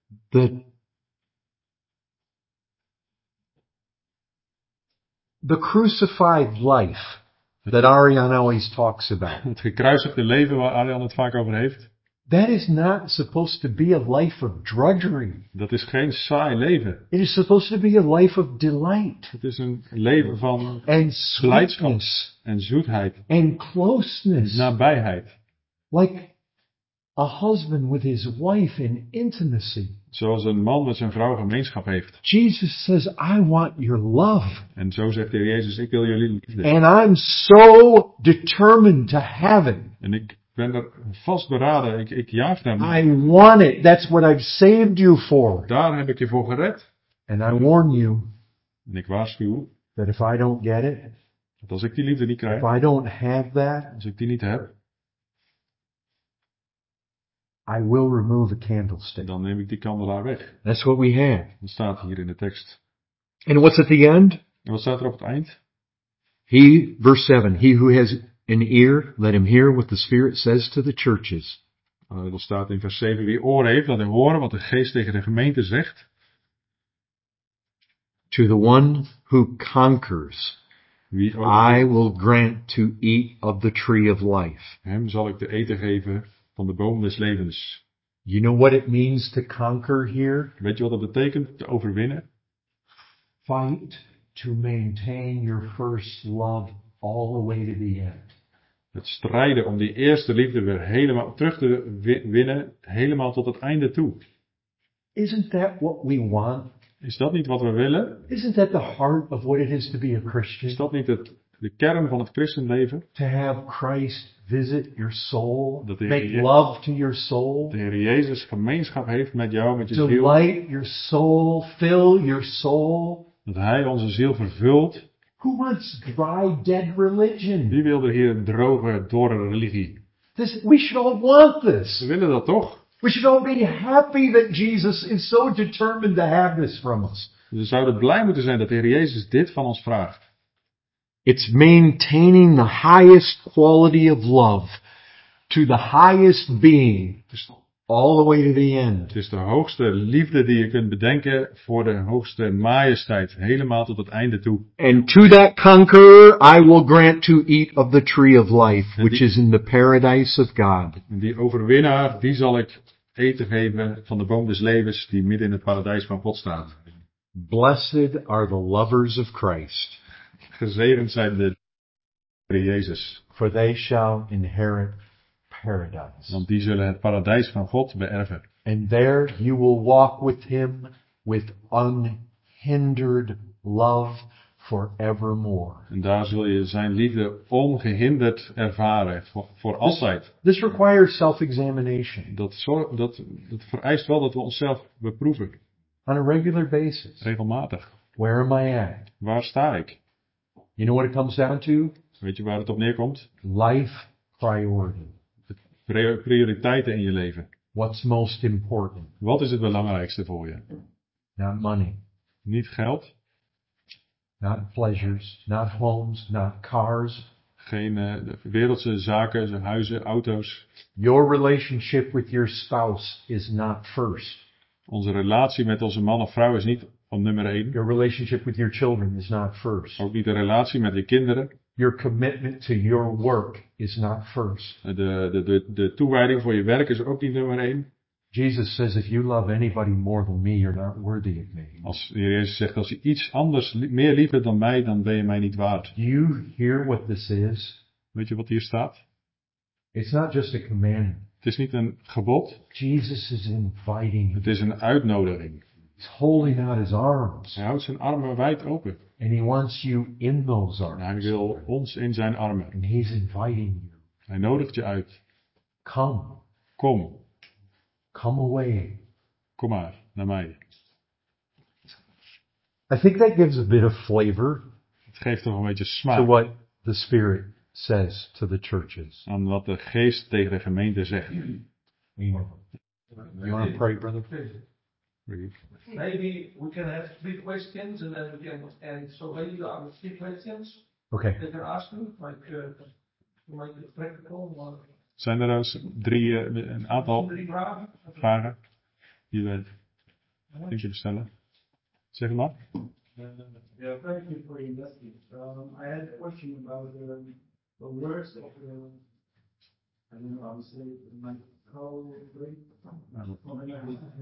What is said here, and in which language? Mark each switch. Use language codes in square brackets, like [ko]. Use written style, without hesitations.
[en] The crucified life that Arian always talks about. [nl] Het gekruisigde leven waar Arian het vaak over heeft. [en] That is not supposed to be a life of drudgery. [nl] Dat is geen saai leven. [en] It is supposed to be a life of delight. [nl] Het is een leven van [en] and [nl] blijdschap [en] sweetness [nl] en zoetheid. [en] And closeness. [nl] Nabijheid. [en] Like a husband with his wife in intimacy. [nl] Zoals een man met zijn vrouw gemeenschap heeft. [en] Jesus says, I want your love. [nl] En zo zegt de Heer Jezus, ik wil jullie liefde. [en] And I'm so determined to have it. [nl] En ik ben er vastberaden. Ik jaag naar [en] me. I want it. That's what I've saved you for. [nl] Daar heb ik je voor gered. [en] And I warn you. [nl] En ik waarschuw. [en] That if I don't get it. [nl] Dat als ik die liefde niet krijg. [en] If I don't have that. [nl] Als ik die niet heb. [en] I will remove a candlestick. [nl] Dan neem ik die kandelaar weg. [en] That's what we have. [nl] Dat staat hier in de tekst. [en] And what's at the end? [nl] En wat staat er op het eind? [en] He, verse 7. He who has an ear, let him hear what the Spirit says to the churches. [nl] Dat staat in vers 7. Wie oor heeft, laat hem horen wat de Geest tegen de gemeente zegt. [en] To the one who conquers, [nl] wie ook, [en] I will grant to eat of the tree of life. [nl] Hem zal ik de eten geven van de boom des levens. [en] You know what it means to conquer here? [nl] Weet je wat dat betekent, te overwinnen? [en] Fight to maintain your first love all the way to the end. [nl] Het strijden om die eerste liefde weer helemaal terug te winnen, helemaal tot het einde toe. [en] Isn't that what we want? [nl] Is dat niet wat we willen? [en] Isn't that the heart of what it is to be a Christian? [nl] Is dat niet het de kern van het christenleven? [en] To have Christ visit your soul, [nl] dat de [en] make love to your soul. [nl] De Heer Jezus gemeenschap heeft met jou, met je [en] delight [nl] ziel. [en] Delight your soul, fill your soul. [nl] Dat Hij onze ziel vervult. [en] Who wants dry, dead religion? [nl] Wie wil er hier een droge, dorre religie? [en] This, we should all want this. [nl] We willen dat toch? [en] We should all be happy that Jesus is so determined to have this from us. [nl] We zouden blij moeten zijn dat de Heer Jezus dit van ons vraagt. [en] It's maintaining the highest quality of love to the highest being all the way to the end. [nl] Het is de hoogste liefde die je kunt bedenken voor de hoogste majesteit, helemaal tot het einde toe. [en] And to that conqueror I will grant to eat of the tree of life, which is in the paradise of God. [nl] En die overwinnaar, die zal ik eten geven van de boom des levens die midden in het paradijs van God staat. [en] Blessed are the lovers of Christ. [nl] Gezegend zijn de Heer Jezus. [en] For they shall inherit paradise. [nl] Want die zullen het paradijs van God beërven. [en] And there you will walk with him with unhindered love forevermore. [nl] En daar zul je zijn liefde ongehinderd ervaren voor altijd. [en] This requires self-examination. [nl] Dat vereist wel dat we onszelf beproeven. [en] On a regular basis. [nl] Regelmatig. [en] Where am I at? [nl] Waar sta ik? [en] You know what it comes down to? [nl] Weet je waar het op neerkomt? [en] Life priority. [nl] Prioriteiten in je leven. [en] What's most important? [nl] Wat is het belangrijkste voor je? [en] Not money. [nl] Niet geld. [en] Not pleasures. Not homes. Not cars. [nl] Geen wereldse zaken, huizen, auto's. [en] Your relationship with your spouse is not first. [nl] Onze relatie met onze man of vrouw is niet op nummer 1. [en] Your relationship with your children is not first. [nl] Ook niet de relatie met je kinderen. [en] Your commitment to your work is not first. [nl] De toewijding voor je werk is ook niet nummer 1. [en] Jesus says, if you love anybody more than me, you're not worthy of me. [nl] Als de Heer Jezus zegt, als je iets anders meer liefde dan mij, dan ben je mij niet waard. [en] Do you hear what this is? [nl] Weet je wat hier staat? [en] It's not just a command. [nl] Het is niet een gebod. [en] Jesus is inviting. [nl] Het is een uitnodiging. [en] He's holding out his arms. [nl] Hij houdt zijn armen wijd open. [en] And he wants you in those arms. [nl] En hij wil ons in zijn armen. [en] And he's inviting you. [nl] Hij nodigt je uit. [en] Come. [nl] Kom. [en] Come away. [nl] Kom maar naar mij. [en] I think that gives a bit of flavor. [nl] Het geeft toch een beetje smaak. [en] To what the Spirit says to the churches. [nl] Aan wat de Geest tegen de gemeente zegt. [en] You want to pray, brother? Maybe we can have 3 questions and then we can end. So maybe you have 3 questions. Okay. That they're asking, like the practical one. [nl] Zijn er dus een aantal vragen die we in kunnen stellen? Zeg maar. [en] Ja, thank you for investing. I had a question about the words of the, I don't know how to say it, my colleague.